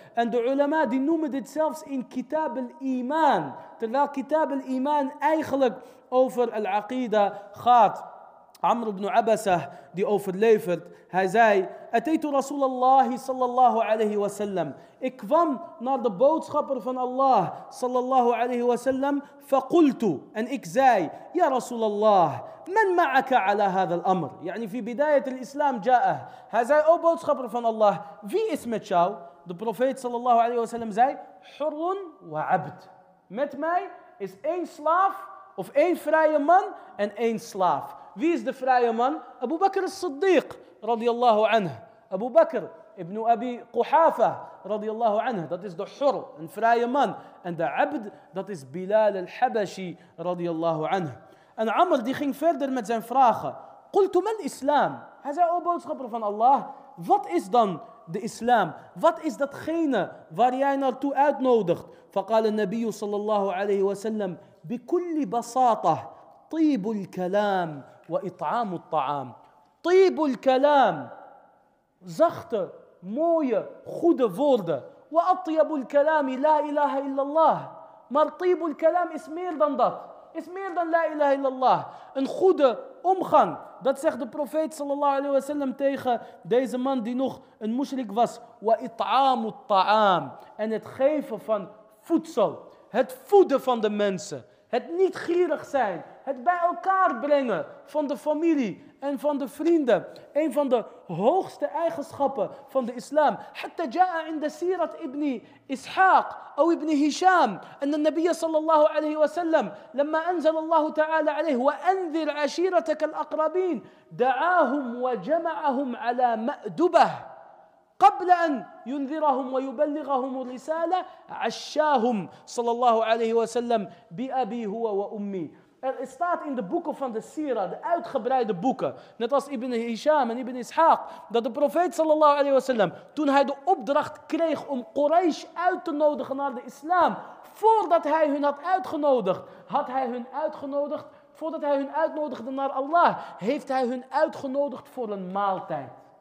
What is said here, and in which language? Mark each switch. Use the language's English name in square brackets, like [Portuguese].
[Dutch] En de ulama die noemen dit zelfs in Kitab al-Iman, terwijl Kitab al-Iman eigenlijk over al-aqida gaat. Amr ibn Abbasah die overlevert, hij zei, [Arabic] أتيت رسول الله صلى الله عليه وسلم. [Dutch] Ik kwam naar de boodschapper van Allah صلى الله عليه وسلم. [Arabic] فقلت, [Dutch] en ik zei, [Arabic] يا رسول الله, من معك على هذا الأمر. يعني في بداية الإسلام جاءه. [Dutch] Hij zei, O boodschapper van Allah, wie is met jou? De profeet صلى الله عليه وسلم zei, [Arabic] حر وعبد. [Dutch] Met mij is één slaaf of één vrije man en één slaaf. Wie is de vrije man? Abu Bakr al-Siddiq, radiyallahu anhu. Abu Bakr ibn Abi Quhafa, radiyallahu anhu. Dat is de hur, een vrije man. En de abd, dat is Bilal al-Habashi, radiyallahu anhu. En Amr, die ging verder met zijn vragen. [Arabic] Qultu man islam? [Dutch] Hij zei, o boodschapper van Allah, wat is dan de islam? Wat is datgene waar jij naartoe uitnodigt? [Arabic] Faqala an-nabiyyu sallallahu alayhi wa sallam, bi kulli basatah, طيب الكلام وإطعام الطعام. طيب الكلام, [Dutch] zachte, mooie, goede woorden. [Arabic] وأطيب الكلام لا إله إلا الله. [Dutch] Maar طيب الكلام is meer dan dat. Is meer dan [Arabic] لا إله إلا الله. [Dutch] Een goede omgang. Dat zegt de profeet sallallahu alayhi wa sallam tegen deze man die nog een mushrik was. [Arabic] وإطعام الطعام. [Dutch] En het geven van voedsel. Het voeden van de mensen. Het niet gierig zijn. Het bij elkaar brengen van de familie en van de vrienden. Een van de hoogste eigenschappen van de islam. [Arabic] Hatta ja'a [Dutch] in de sirat ibn Ishaq of ibn Hisham. En de [Arabic] nabiyya sallallahu alayhi wa sallam. Lama anzal Allah ta'ala alayhi wa anzir ashiratak al-aqrabin. Da'ahum wa jama'ahum ala ma'dubah. قبل أن ينذرهم ويبلغهم الرسالة عشاهم صلى الله عليه وسلم بأبي هو وأمي. [Dutch] Er staat in de boeken van de Sira, de uitgebreide boeken, net als Ibn Hisham en Ibn Ishaq, dat de profeet sallallahu alayhi wa sallam, toen hij de opdracht kreeg om Quraysh uit te nodigen naar de islam, voordat hij hun had uitgenodigd, had hij hun uitgenodigd, voordat hij hun uitnodigde naar Allah, heeft hij hun uitgenodigd voor een maaltijd.